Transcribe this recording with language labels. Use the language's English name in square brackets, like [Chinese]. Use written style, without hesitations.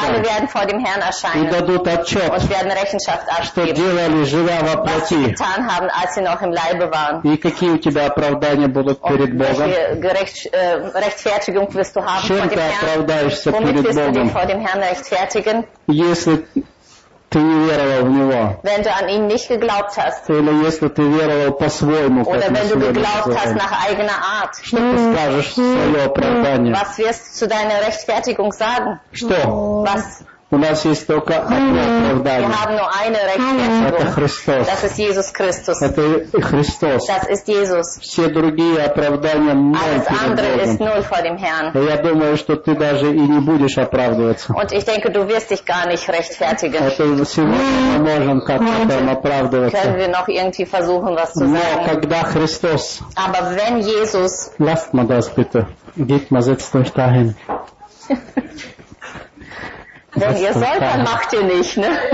[German] Und alle werden vor dem Herrn erscheinen. [Russian] И дадут отчет. [German] Und werden Rechenschaft abgeben. [Russian] Что делали, живя во плоти. [German] Was sie getan haben, als sie noch im Leibe waren. [Russian] И какие у тебя оправдания будут перед Богом? [German] Rechtfertigung wirst du haben vor dem Herrn. [Russian] Чем ты оправдаешься перед Богом? [German] Womit wirst du dich vor dem Herrn rechtfertigen? [Russian] Если ты не веровал в Него. [German] Wenn du an ihn nicht geglaubt hast. [Russian] Или если ты веровал по-своему, как [German] oder wenn du geglaubt hast nach eigener Art. [Russian] Что ты скажешь в свое оправдание? [German] Was wirst du zu deiner Rechtfertigung sagen? [Russian] Что? [German] Was? [Russian] У нас есть только одно оправдание. [German] Wir haben nur eine Rechtfertigung. [Russian] Это Христос. [German] Das ist Jesus Christus. [Russian] Это Христос. [German] Das ist Jesus. [Russian] Все другие оправдания ноль перед [German] Богом. Ist null vor dem Herrn. [Russian] Я думаю, что ты даже и не будешь оправдываться. [German] Und ich denke, du wirst dich gar nicht rechtfertigen. [Russian] Это сегодня мы можем как-то оправдываться. [German] Können wir noch irgendwie versuchen, was zu sagen. [Russian] Но когда Христос. [German] Aber wenn Jesus. Lasst mal das bitte. Geht mal, setzt euch dahin. Wenn ihr sollt, dann macht ihr nicht, ne?